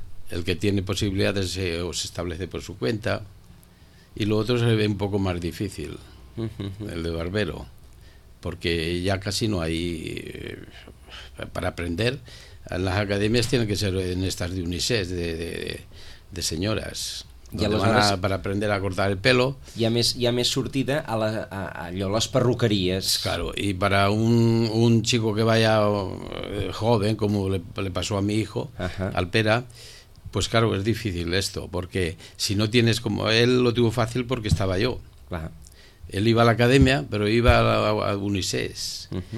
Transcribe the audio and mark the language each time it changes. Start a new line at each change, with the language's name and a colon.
Spanish: El que tiene posibilidades se establece por su cuenta. Y lo otro se ve un poco más difícil, el de barbero. Porque ya casi no hay para aprender. Las academias tienen que ser en estas de unisex, de señoras. Donde van para aprender a cortar el pelo.
Catalan: Hi ha més sortida a les perruqueries.
Spanish: Claro, y para un chico que vaya joven, como le pasó a mi hijo, al Pera, pues claro, es difícil esto. Porque si no tienes, como él lo tuvo fácil porque estaba yo. Ajá. Él iba a la academia, pero iba a unisex.